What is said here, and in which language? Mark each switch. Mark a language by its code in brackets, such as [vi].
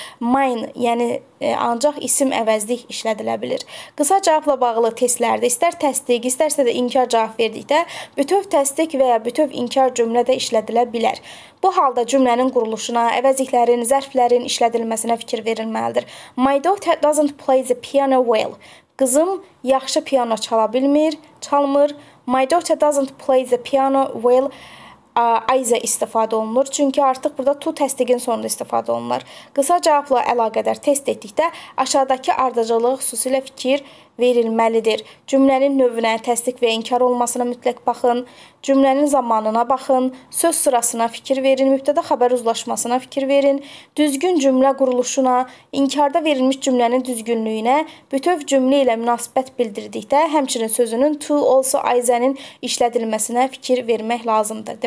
[az] Mine, yəni ancaq isim əvəzlik işlədilə bilir. Qısa cavabla bağlı testlərdə istər təsdiq, istərsə də inkar cavab verdikdə, bütöv təsdiq və ya bütöv inkar cümlədə işlədilə bilər. Bu halda cümlənin quruluşuna, əvəzliklərin, zərflərin işlədilməsinə fikir verilməlidir. [en] My daughter doesn't play the piano well. [az] Qızım yaxşı piano çala bilmir, çalmır. [en] My daughter doesn't play the piano well. [az] Either istifadə olunur, çünki artıq burada to təsdiqin sonunda istifadə olunur. Qısa cavabla əlaqədar test etdikdə aşağıdakı ardıcılığı xüsusilə fikir verilməlidir. Cümlənin növünə, təsdiq və inkar olmasına mütləq baxın, cümlənin zamanına baxın, söz sırasına fikir verin, mübtədə xəbər uzlaşmasına fikir verin, düzgün cümlə quruluşuna, inkarda verilmiş cümlənin düzgünlüyünə, bütöv cümlə ilə münasibət bildirdikdə həmçinin sözünün to also either-nin işlədilməsinə fikir vermək lazımdır.